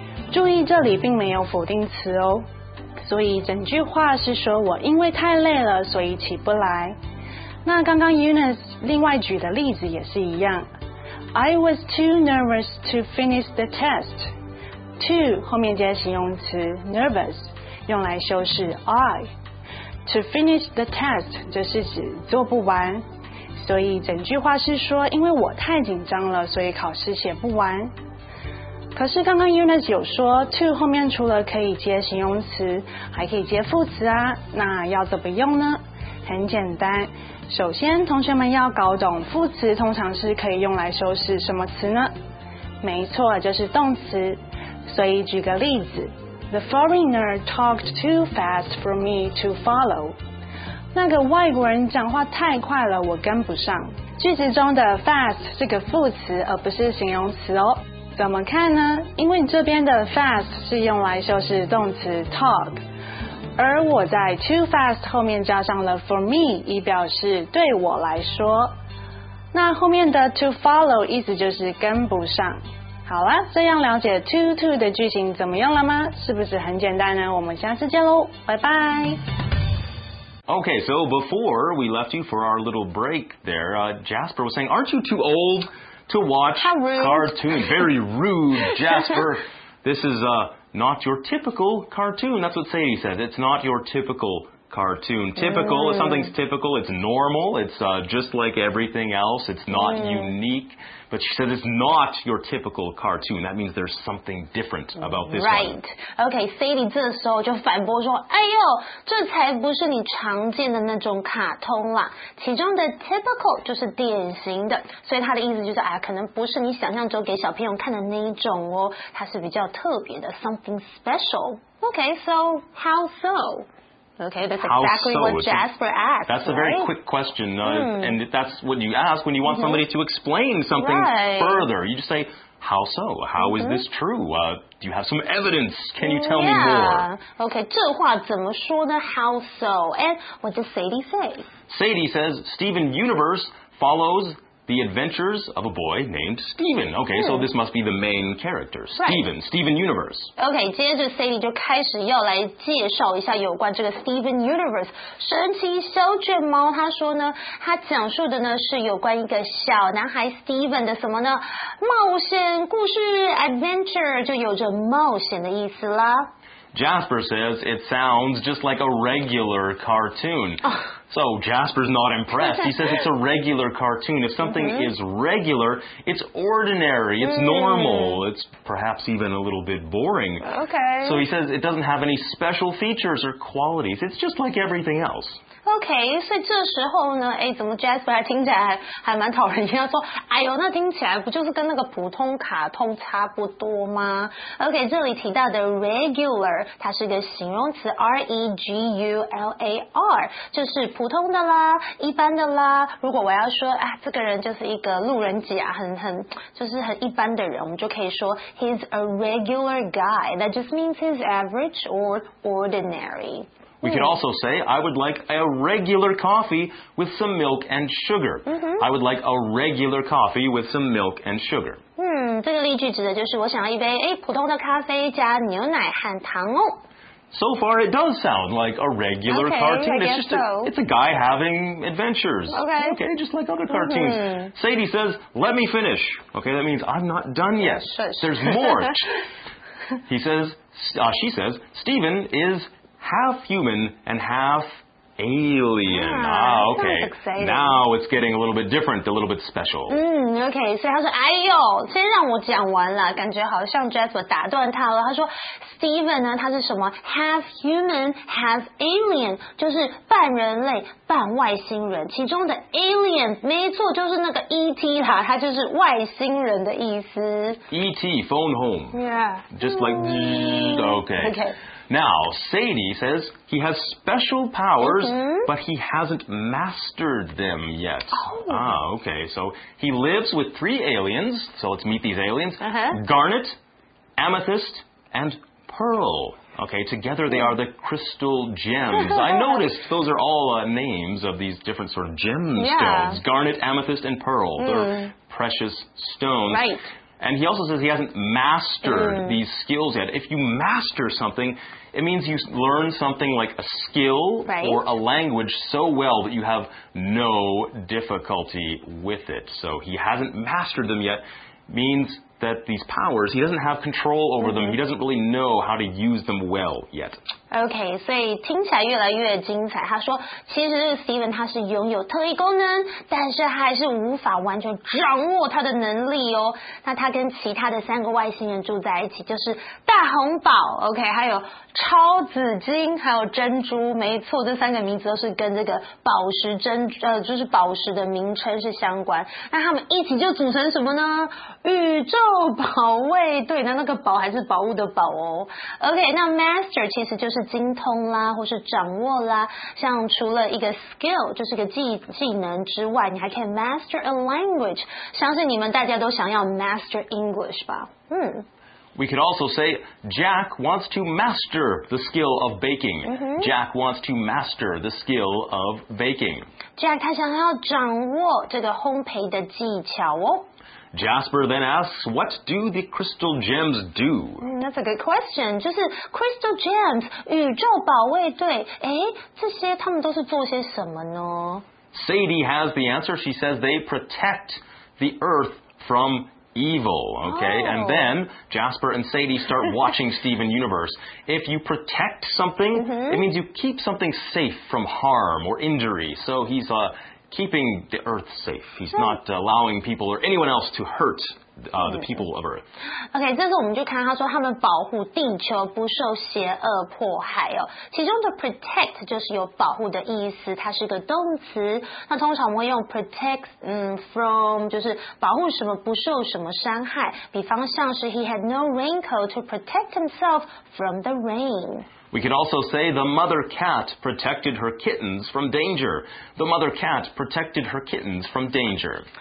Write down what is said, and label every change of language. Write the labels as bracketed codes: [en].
[zh] 注意这里并没有否定词哦所以整句话是说我因为太累了所以起不来那刚刚 Eunice 另外举的例子也是一样 [en] I was too nervous to finish the test. [zh] Too 后面接形容词 nervous 用来修饰 I. [en] To finish the test [zh] 就是指做不完。所以整句话是说因为我太紧张了所以考试写不完。可是刚刚 Eunice 有说 too 后面除了可以接形容词还可以接副词啊那要怎么用呢很简单首先同学们要搞懂副词通常是可以用来修饰什么词呢没错就是动词所以举个例子 [en] The foreigner talked too fast for me to follow [zh] 那个外国人讲话太快了我跟不上句子中的 fast 是个副词而不是形容词哦怎么看呢因为这边的 fast 是用来修饰动词 talk 而我在 too fast 后面加上了 for me 以表示对我来说那后面的 to follow 意思就是跟不上好啦这样了解 too 的句型怎么用了吗是不是很简单呢我们下次见咯拜拜 [en] Okay, so before we left you for our little break there, Jasper was saying, aren't you too old to watch cartoons? Very rude, Jasper. This is a... Not your typical cartoon. That's what Sadie says. It's not your typical cartoon. Typical, if something's typical, it's normal. It's just like everything else. It's not unique. But she said it's not your typical cartoon. That means there's something different about this right. one. [zh] Okay, Sadie 这时候就反驳说，哎呦，这才不是你常见的那种卡通啦。其中的 typical 就是典型的，所以他的意思就是，哎，可能不是你想象中给小朋友看的那一种哦，它是比较特别的 [en] something special. Okay, so how so? Okay, that's exactly so? what Jasper asked. That's right? a very quick question, and that's what you ask when you want somebody to explain something further. You just say, how so? How is this true? Do you have some evidence? Can you tell me more? [zh] Okay, 这话怎么说呢? [en] How so? And what does Sadie say? Sadie says, Steven Universe follows... The Adventures of a Boy Named Steven. Okay, so this must be the main character, Steven,、 right. Steven Universe. [zh] Okay, 接着 Sadie 就开始要来介绍一下有关这个 Steven Universe. 神奇小卷毛他说呢，他讲述的呢是有关一个小男孩 Steven 的什么呢？冒险故事 Adventure 就有着冒险的意思啦。 [en] Jasper says it sounds just like a regular cartoon.、 Oh. So Jasper's not impressed. He says it's a regular cartoon. If something is regular, it's ordinary, it's normal, it's perhaps even a little bit boring. Okay. So he says it doesn't have any special features or qualities. It's just like everything else. [zh] Okay, 所以这时候呢，哎，怎么 Jasper 还听起来还蛮讨人厌？说，哎呦，那听起来不就是跟那个普通卡通差不多吗 ？Okay, 这里提到的 regular， 它是个形容词 ，regular， 就是。普通的啦，一般的啦。如果我要说啊，这个人就是一个路人甲，就是很一般的人，我们就可以说 [en] he's a regular guy. That just means he's average or ordinary. We could also say I would like a regular coffee with some milk and sugar. I would like a regular coffee with some milk and sugar. [zh] 这个例句指的就是我想要一杯哎普通的咖啡加牛奶和糖哦。 [en] So far, it does sound like a regular cartoon. I guess it's just it's a guy having adventures. Okay, just like other cartoons. Sadie says, let me finish. Okay, that means I'm not done yet. There's more. He says, she says, Steven is half human and half alien. Now it's getting a little bit different, a little bit special. [zh] Okay, 所以他说，哎呦，先让我讲完了，感觉好像 Jasper 打断他了。他说 ，Steven 呢，他是什么 ？ [en] Half human, half alien， [zh] 就是半人类，半外星人。其中的 alien， 没错，就是那个 ET 啦，他就是外星人的意思。 [en] ET, phone home. Yeah. Just like okay. Okay. Now Sadie says he has special powers, but he hasn't mastered them yet. Okay. So he lives with three aliens, so let's meet these aliens. Garnet, Amethyst, and Pearl. Okay, together they are the Crystal Gems. I noticed those are all names of these different sort of gemstones. Garnet, Amethyst, and Pearl. They're precious stones. Right. And he also says he hasn't mastered these skills yet. If you master something... It means you learn something like a skill or a language so well that you have no difficulty with it. So he hasn't mastered them yet. Means that these powers, he doesn't have control over them. He doesn't really know how to use them well yet. [zh] Okay, 所以听起来越来越精彩。他说，其实 Steven 他是拥有特异功能，但是他还是无法完全掌握他的能力哦。那他跟其他的三个外星人住在一起，就是大红宝 ，OK， 还有超紫晶，还有珍珠。没错，这三个名字都是跟这个宝石珍就是宝石的名称是相关。那他们一起就组成什么呢？宇宙保卫队。那那个宝还是宝物的宝哦。OK， 那 Master 其实就是。是精通啦，或是掌握啦。像除了一个 skill， 就是个技能之外，你还可以 [en] master a language。 [zh] 相信你们大家都想要 [en] master English [zh] 吧？ [en] We could also say Jack wants to master the skill of baking. Jack wants to master the skill of baking. [zh] Jack 他想要掌握这个烘焙的技巧哦。 [en] Jasper then asks, what do the crystal gems do? That's a good question. [zh] 就是 crystal gems, 宇宙保卫队，诶，这些他们都是做些什么呢？ [en] Sadie has the answer. She says they protect the earth from evil, okay? Oh. And then Jasper and Sadie start watching Steven Universe. If you protect something, mm-hmm. it means you keep something safe from harm or injury. So he's keeping the Earth safe. He's not allowing people or anyone else to hurt the people of Earth. [zh] Okay, 这次我们就看他说他们保护地球不受邪恶迫害哦。其中的 protect 就是有保护的意思，它是一个动词。那通常我们会用 protect from 就是保护什么不受什么伤害。比方像是 [en] he had no raincoat to protect himself from the rain. We could also say the mother cat protected her kittens from danger. The mother cat protected her kittens from danger.